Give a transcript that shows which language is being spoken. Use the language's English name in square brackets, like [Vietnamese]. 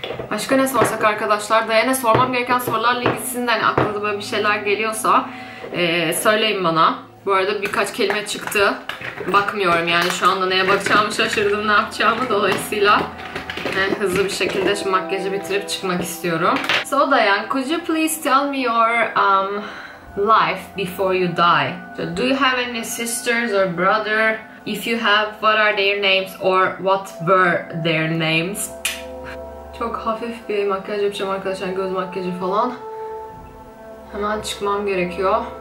[Turkish] Başka ne sorsak arkadaşlar? Dayan'a sormam gereken sorular ilgisinden aklınıza böyle bir şeyler geliyorsa söyleyin bana. Bu arada birkaç kelime çıktı. Bakmıyorum yani şu anda neye bakacağımı şaşırdım, ne yapacağımı dolayısıyla. Hızlı bir şekilde şu makyajı bitirip çıkmak istiyorum. [English] So Dayan, could you please tell me your life before you die? So do you have any sisters or brother? If you have, what are their names or what were their names? [Turkish] Çok hafif bir makyaj yapacağım arkadaşlar, göz makyajı falan. Hemen çıkmam gerekiyor.